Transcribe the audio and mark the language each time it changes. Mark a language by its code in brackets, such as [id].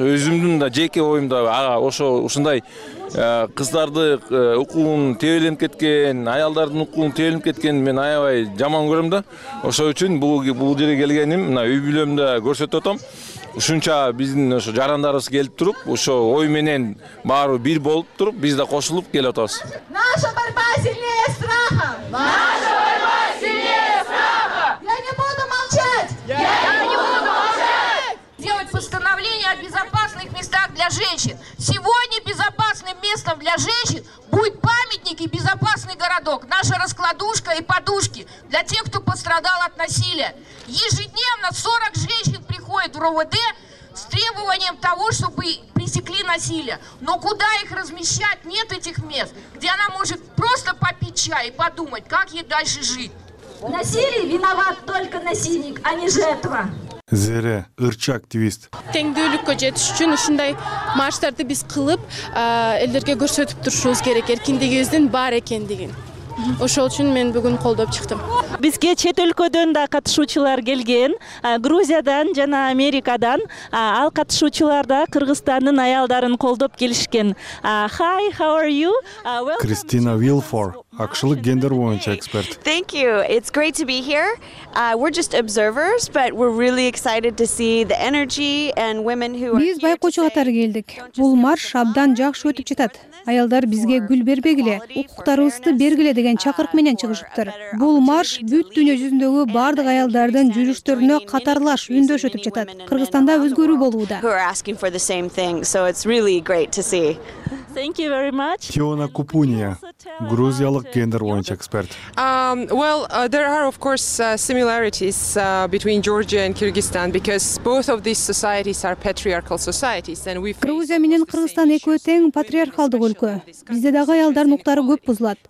[ky] Өзүмдүн да жеке оюмда ага ошо ушундай кыздарды укугун тебеленип кеткен, аялдардын укугун тебеленип кеткенин мен аябай жаман көрөм да. Ошол үчүн бул жерге келгеним, мына үй бүлөмдө көрсөтүп атам. Ушунча биздин ошо жарандарыбыз келип туруп, ошо ой менен баары бир болуп туруп, биз да кошулуп келип атабыз. [ru] Наша борьба сильнее страха! Наша борьба сильнее страха! Я не буду молчать! Я не буду молчать! Делать постановление о безопасных местах для женщин. Сегодня безопасным местом для женщин будет памятник и безопасный городок. Наша раскладушка и подушки для тех, кто пострадал от насилия. Ежедневно 40 женщин приходят в РОВД с требованием того, чтобы пресекли насилие. Но куда их размещать? Нет этих мест, где она может просто попить чай и подумать, как ей дальше жить. В насилии виноват только насильник, а не жертва. [ky] Зере, ырчы активист. Теңдүүлүккө жетиш үчүн ушундай марштарды биз кылып, элдерге көрсөтүп турушубуз керек эркиндигибиздин бар экендигин. Ошол үчүн мен бүгүн колдоп чыктым. Бизге чет өлкөдөн да катышуучулар келген, Грузиядан жана Америкадан. Ал катышуучулар да Кыргызстандын аялдарын колдоп келишкен. [en] Hi, how are you? Welcome. [ky] Кристина Вилфор, акшылык гендер боюнча эксперт. [en] Thank you. It's great to be here. We're just observers, but we're really excited to see the energy and women who are. [ky] Биз байкоочу катары келдик. Бул марш абдан жакшы өтүп жатат. Аялдар бизге гүл бербегиле, укуктарыбызды бергиле деген чакырык менен чыгышыптыр. Бул марш бүт дүйнө жүзүндөгү баардык аялдардын жүрүштөрүнө катарлаш үндөш өтүп жатат. Кыргызстанда өзгөрүү болууда. [en] Thank you very much. [ky] Тиона Купуния, грузиялык гендер боюнча эксперт. [en] There are of course similarities between Georgia and Kyrgyzstan because both of these societies are patriarchal societies and we [ky] Грузия менен Кыргызстан экөө тең патриархалдык өлкө. Бизде дагы аялдардын укуктары көп бузулат.